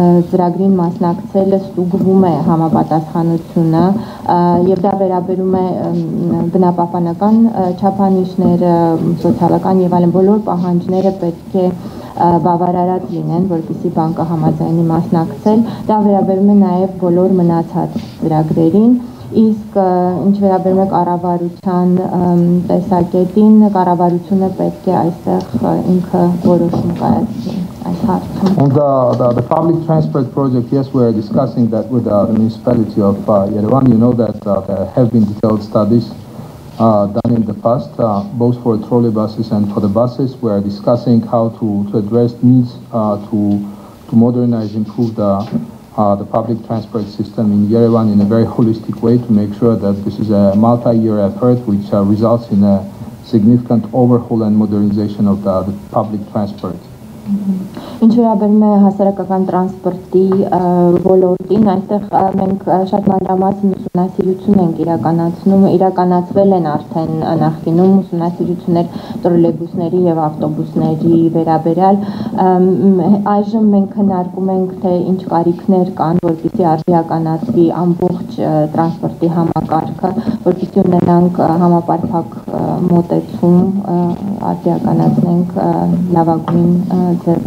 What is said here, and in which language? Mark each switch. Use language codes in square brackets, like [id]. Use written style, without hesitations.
[hy] ծրագրին մասնակցելը ստուգվում է համապատասխանությունը, եւ դա վերաբերում է բնապահպանական չափանիշները, սոցիալական եւ այլն, բոլոր պահանջները պետք է բավարարած լինեն, որպեսզի բանկը համաձայնի մասնակցել, դա վերաբերում է նաեւ բոլոր մնացած ծրագրերին։ Իսկ ինչ վերաբերում է կառավարության տեսակետին, կառավարությունը պետք է այստեղ ինքը որոշում կայացնի։ [en] On the public transport project, yes, we are discussing that with the municipality of Yerevan. You know that there have been detailed studies done in the past, both for trolley buses and for the buses. We are discussing how to address needs to modernize, improve the public transport system in Yerevan in a very holistic way, to make sure that this is a multi-year effort which results in a significant overhaul and modernization of the public transport. [hy] Ինչ վերաբերում է հասարակական տրանսպորտի ոլորտին, այստեղ մենք շատ մանրամասն ուսումնասիրություն ենք իրականացվել են արդեն նախկինում ուսումնասիրություններ տրոլեյբուսների եւ ավտոբուսների վերաբերյալ։ Այժմ մենք քննարկում ենք, թե ինչ կարիքներ կան, որպեսզի արդիականացվի ամբողջ տրանսպորտի համակարգը, որպեսզի ունենանք համապարփակ մոտեցում, արդիականացնենք լավագույն